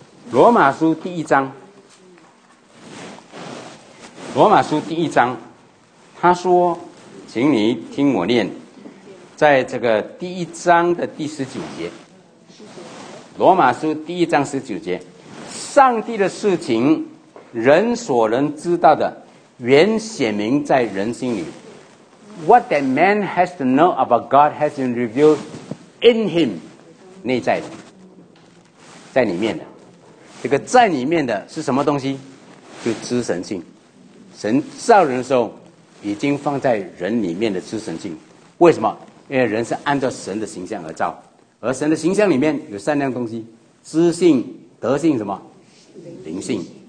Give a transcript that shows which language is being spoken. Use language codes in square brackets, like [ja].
[zh] 罗马书第一章，罗马书第一章，他说，请你听我念，在这个第一章的19节，罗马书第一章19节，上帝的事情人所能知道的原显明在人心里。 [en] What that man has to know about God has been revealed in him， [zh] 内在的，在里面的。这个在里面的是什么东西？就知神性。神造人的时候已经放在人里面的知神性。为什么？因为人是按照神的形象而造，而神的形象里面有三样东西：知性、德性、什么灵性。